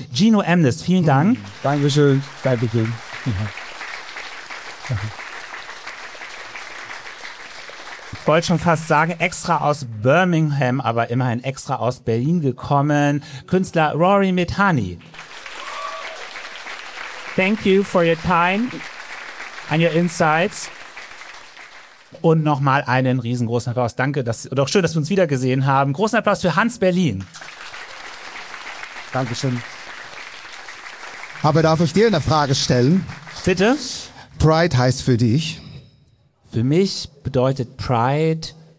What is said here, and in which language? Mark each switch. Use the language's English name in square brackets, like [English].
[German] Gino Amnes, vielen Dank. Dankeschön. Dankeschön. Ja. Ich wollte schon fast sagen, extra aus Birmingham, aber immerhin extra aus Berlin gekommen. Künstler Rory Medhany. [English] Thank you for your time and your insights. [German] Und nochmal einen riesengroßen Applaus. Danke, doch schön, dass wir uns wiedergesehen haben. Großen Applaus für Hans Berlin. Dankeschön. Aber darf ich dir eine Frage stellen? Bitte. Pride heißt für dich? Für mich bedeutet Pride